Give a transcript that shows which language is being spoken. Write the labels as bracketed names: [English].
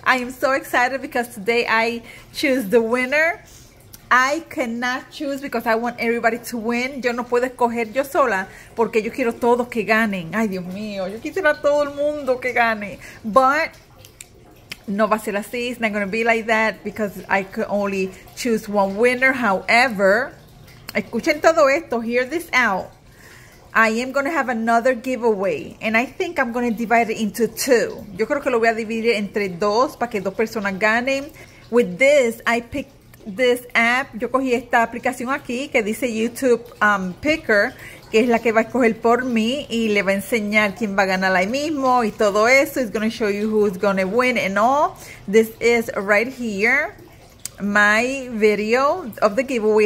[English] I am so excited because today I choose the winner. I cannot choose because I want everybody to win. [Spanish] Yo no puedo escoger yo sola porque yo quiero todos que ganen. Ay, Dios mío, yo quisiera a todo el mundo que gane. But no va a ser así. [English] It's not going to be like that because I could only choose one winner. [Spanish] However, escuchen todo esto. [English] Hear this out. I am going to have another giveaway. And I think I'm going to divide it into two. [Spanish] Yo creo que lo voy a dividir entre dos para que dos personas ganen. [English] With this, I picked this app. [Spanish] Yo cogí esta aplicación aquí que dice YouTube Picker, que es la que va a escoger por mí y le va a enseñar quién va a ganar ahí mismo y todo eso. [English] It's going to show you who's going to win and all. This is right here, my video of the giveaway.